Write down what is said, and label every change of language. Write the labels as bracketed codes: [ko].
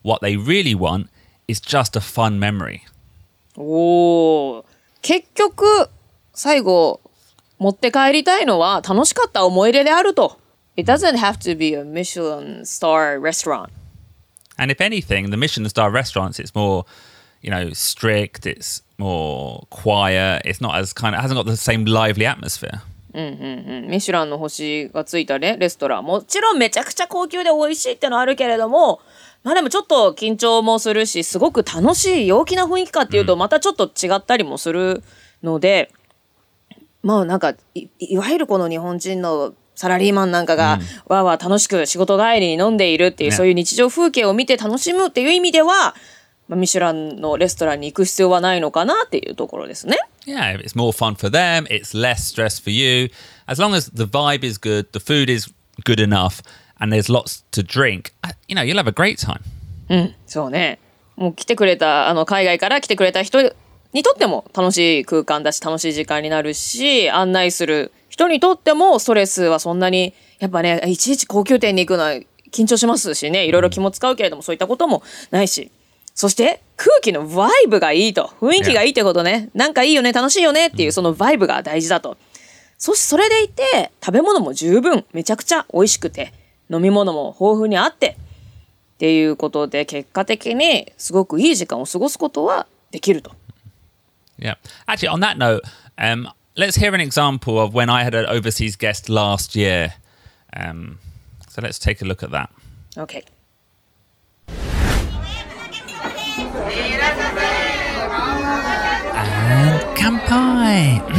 [en] What they really want is just a fun memory. [ja] Oh, 結局、最後、持って帰りたいのは楽しかった思い出であると。 [en] It doesn't have to be a Michelin star restaurant. And if anything, the Michelin star restaurants, it's more, you know, strict, it's more quiet, it's not as kind of, it hasn't got the same lively atmosphere. [ja] Michelin の星がついたね、レストラン。もちろんめちゃくちゃ高級で美味しいってのあるけれども、まあでもちょっと緊張もするし、すごく楽しい陽気な雰囲気かっていうと、またちょっと違ったりもするので、まあなんか、いわゆるこの日本人のサラリーマンなんかがわーわー楽しく仕事帰りに飲んでいるっていう、そういう日常風景を見て楽しむっていう意味では、ミシュランのレストランに行く必要はないのかなっていうところですね。 [en] Yeah, it's more fun for them, it's less stress for you. As long as the vibe is good, the food is good enough, and there's lots to drink, you know, you'll have a great time. [ja] そうね。もう来てくれた、海外から来てくれた人にとっても楽しい空間だし、楽しい時間になるし、案内する人にとってもストレスはそんなに、やっぱね、いちいち高級店に行くのは緊張しますしね、いろいろ気も使うけれども、そういったこともないし、そして空気のバイブがいいと、雰囲気がいいってことね、なんかいいよね、楽しいよねっていう、そのバイブが大事だと。そしてそれでいて、食べ物も十分、めちゃくちゃ美味しくて、飲み物も豊富にあって、っていうことで、結果的にすごくいい時間を過ごすことはできると。 [en] Yeah. Actually, on that note, let's hear an example of when I had an overseas guest last year. So let's take a look at that. Okay. And kanpai!